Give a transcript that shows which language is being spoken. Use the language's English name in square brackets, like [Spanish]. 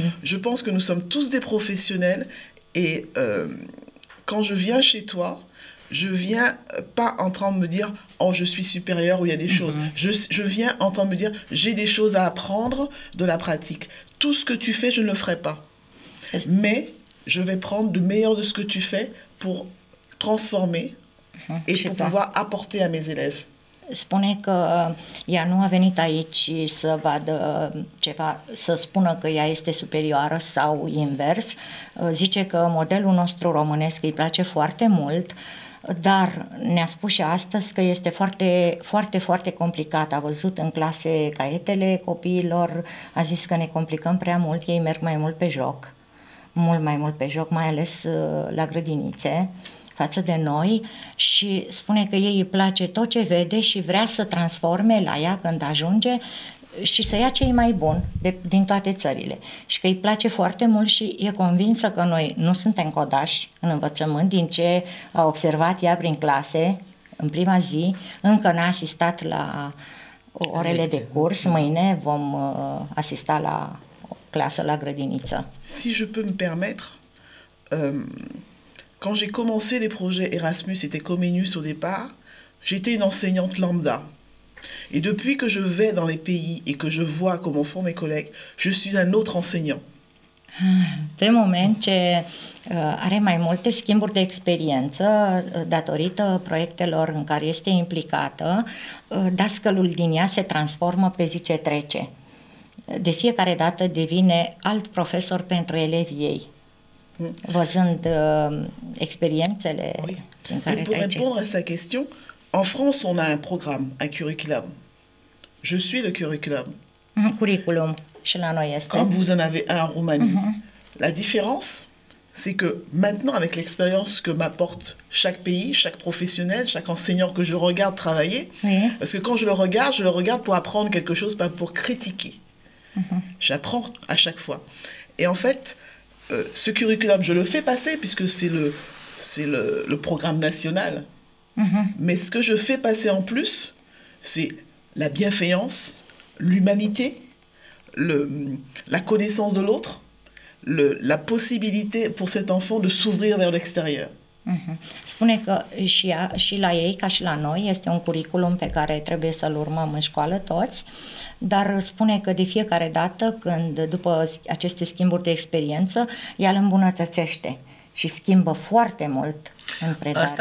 [French] Je pense que nous sommes tous des professionnels. Et quand je viens chez toi, je viens pas en train de me dire « Oh, je suis supérieur ou il y a des choses ». Je viens en train de me dire « J'ai des choses à apprendre de la pratique. Tout ce que tu fais, je ne le ferai pas. Mais je vais prendre le meilleur de ce que tu fais pour transformer et pour pouvoir apporter à mes élèves. » [Romanian] spune că ea nu a venit aici să vadă ceva, să spună că ea este superioară sau invers. Zice că modelul nostru românesc îi place foarte mult, dar ne-a spus și astăzi că este foarte, foarte, foarte complicat. A văzut în clase caietele copiilor, a zis că ne complicăm prea mult, ei merg mai mult pe joc, mult mai mult pe joc, mai ales la grădinițe, față de noi, și spune că ei îi place tot ce vede și vrea să transforme la ea când ajunge și să ia ce e mai bun din toate țările. Și că îi place foarte mult și e convinsă că noi nu suntem codași în învățământ, din ce a observat ea prin clase în prima zi, încă n-a asistat la orele lecție de curs, mâine vom asista la clasă la grădiniță. [French] Si je peux me permettre, quand j'ai commencé les projets Erasmus et Comenius au départ, j'étais une enseignante lambda. Et depuis que je vais dans les pays et que je vois comment font mes collègues, je suis un autre enseignant. [Romanian] Pe moment ce are mai multe schimburi de experiență datorită proiectelor în care este implicată, dascălul din ea se transformă pe zi ce trece. De fiecare dată devine alt profesor pentru elevii ei, văzând experiențele în care trece. [French] Et pour répondre à sa question, en France, on a un programme, un curriculum. Je suis le curriculum. [Romanian] Curriculum, și la noi este. [French] Comme vous en avez un en Roumanie. La différence, c'est que maintenant, avec l'expérience que m'apporte chaque pays, chaque professionnel, chaque enseignant que je regarde travailler, parce que quand je le regarde pour apprendre quelque chose, pas pour critiquer. J'apprends à chaque fois. Et en fait, ce curriculum, je le fais passer, puisque c'est le programme national. Mais ce que je fais passer en plus, c'est la bienveillance, l'humanité, la connaissance de l'autre, la possibilité pour cet enfant de s'ouvrir vers l'extérieur. [Romanian] Spune că și la ei, ca și la noi, este un curriculum pe care trebuie să-l urmăm în școală toți, dar spune că de fiecare dată, când după aceste schimburi de experiență, ea îl îmbunătățește și schimbă foarte mult în predare.